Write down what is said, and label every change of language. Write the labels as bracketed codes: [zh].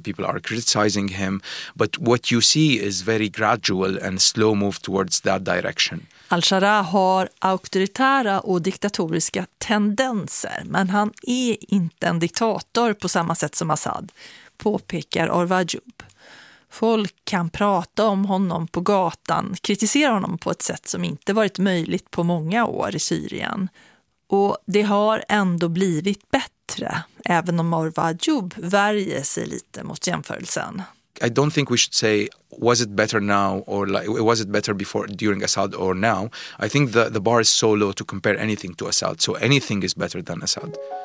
[en] People are criticizing him. But what you see is very gradual and slow move towards that direction. [sv] Al-Sharaa har auktoritära och diktatoriska tendenser, men han är inte en diktator på samma sätt som Assad, påpekar Orvar Djup. Folk kan prata om honom på gatan, kritisera honom på ett sätt som inte varit möjligt på många år i Syrien. Och det har ändå blivit bättre, även om Orvar Djup värjer sig lite mot jämförelsen. [en] I don't think we should say, was it better now or like, was it better before during Assad or now? I think the bar is so low to compare anything to Assad, so anything is better than Assad.